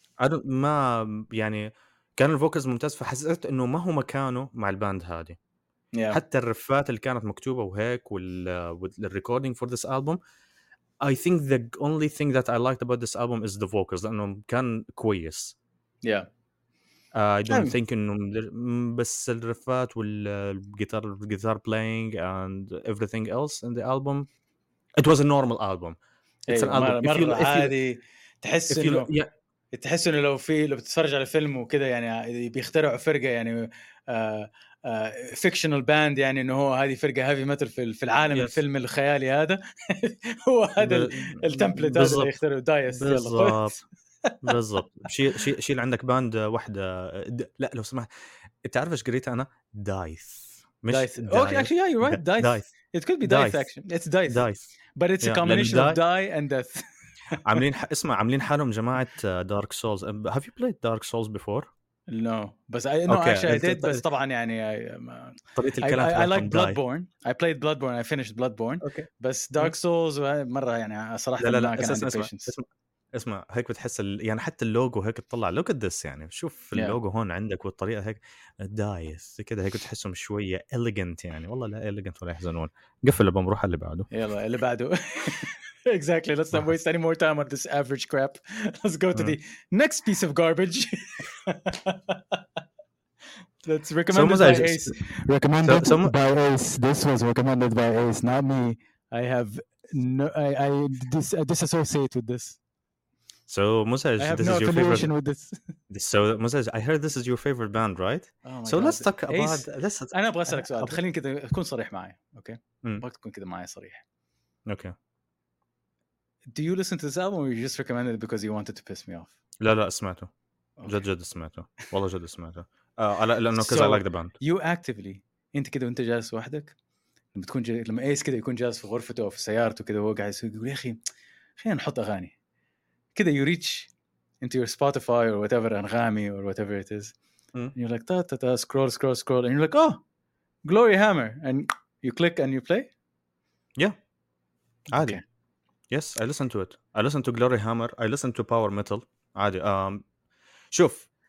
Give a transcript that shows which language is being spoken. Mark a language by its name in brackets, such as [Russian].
[English] I don't, [Arabic] ما يعني كان الفوكلز ممتاز فحسيت إنه ما هو مكانه مع الباند هذه. [English] Yeah. [Arabic] حتى الرفات اللي كانت مكتوبة وهيك وال [English] recording for this album. I think the only thing that I liked about this album is the vocals. [Arabic] لأنه كان كويس. [English] Yeah. I don't think [Arabic] بس الرفات والجيتار [English] playing and everything else in the album. It was a normal album. It's an album. [Arabic] مرة عادي تحس إنه تحس إنه لو في لو بتتفرج على فيلم وكده يعني بيخترعوا فرقة يعني [English] fictional band [Arabic] يعني إنه هو هذه فرقة heavy metal في العالم الفيلم الخيالي هذا هو هذا التمبلت هذا اللي يختاروا دايس بالضبط شيل عندك باند واحدة لا لو سمحت تعرف إيش قريت أنا دايس [English] مش okay actually yeah you're right dice it could be dice actually it's dice but it's a combination of die and death [Arabic] عاملين اسمع عاملين حالهم جماعة [English] dark souls have you played dark souls before No, but I know okay. actually I did, but [Arabic] طبعا يعني [English] I like Bloodborne. I played Bloodborne. I finished Bloodborne. Okay. [Arabic] بس Dark Souls مرة يعني صراحة لا لا لا. اسمع هيك بتحس يعني حتى اللوجو هيك تطلع [English] look at this [Arabic] يعني شوف اللوجو هون عندك والطريقة هيك دايس كده هيك تحسهم شوية elegant يعني والله لا elegant ولا يحزنون قفل البوم روح اللي بعده يلا اللي بعده [English] exactly let's not waste any more time on this average crap let's go to the next piece of garbage that's recommended by Ace recommended by Ace this was recommended by Ace not me I have no I disassociate with this So, Musaj, this no is your favorite. With this. So, Musaj, I heard this is your favorite band, right? Oh my so, God. Let's talk about Ace, this. [Arabic] أنا أبغى أسألك سؤال. خليني كده أكون صريح معي. Okay. أبغى تكون كده معي صريح. [English] Okay. Do you listen to this album, or you just recommended it because you wanted to piss me off? [Arabic] لا لا سمعته. جد جد سمعته. والله جد سمعته. [English] لأنه because I like the band. You actively. [Arabic] أنت كده وأنت جالس وحدك. لما تكون لما إيس كده يكون جالس في غرفته أو في سيارته كده هو قاعد يقول يا أخي خلينا نحط أغاني. [English] كده you reach into your Spotify or whatever Anghami or whatever it is and you're like ta ta ta scroll scroll scroll and you're like oh Glory Hammer and you click and you play yeah عادي okay. yes I listen to it I listen to Glory Hammer I listen to Power Metal [Arabic] عادي شوف